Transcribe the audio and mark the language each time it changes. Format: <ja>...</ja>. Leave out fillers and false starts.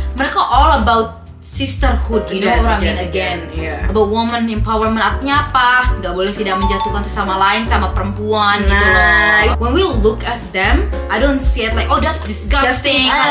<en>Mereka all about sisterhood, you know what I mean again. Yeah. About woman empowerment artinya apa?</en> <id>Gak boleh tidak menjatuhkan sesama lain sama perempuan nah. Gitu loh.</id> <en>When we look at them, I don't see it like, oh that's disgusting.</en>